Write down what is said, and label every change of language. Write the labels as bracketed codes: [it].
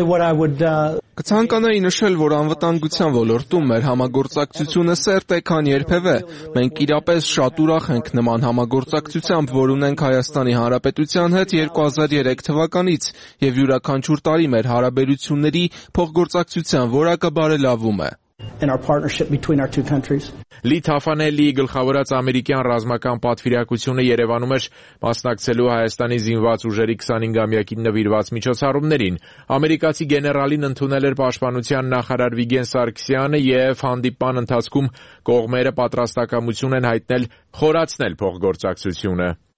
[hy] Կցանկանայի նշել, որ անվտանգության ոլորտում մեր համագործակցությունը սերտ է, քան երբևէ։ Մենք իրապես շատ ուրախ ենք նման համագործակցությամբ, որ ունենք Հայաստանի Հանրապետության հետ 2003 թվականից, և յուրաքանչյուր տարի մեր հարաբերությունների փոխգործակցության որակը բարելավում է։ [en] In our partnership between our two countries. [hy] Լի Թաֆանելի գլխավորած ամերիկյան ռազմական պատվիրակությունը Երևանում էր մասնակցելու Հայաստանի զինված ուժերի 25-ամյակի նվիրված միջոցառումներին։ Ամերիկացի գեներալին ընդունել էր պաշտպանության նախարար Վիգեն Սարգսյանը, և հանդիպան ընթացքում կողմերը պատրաստակամություն են հայտնել խորացնել փոխգործակցությունը։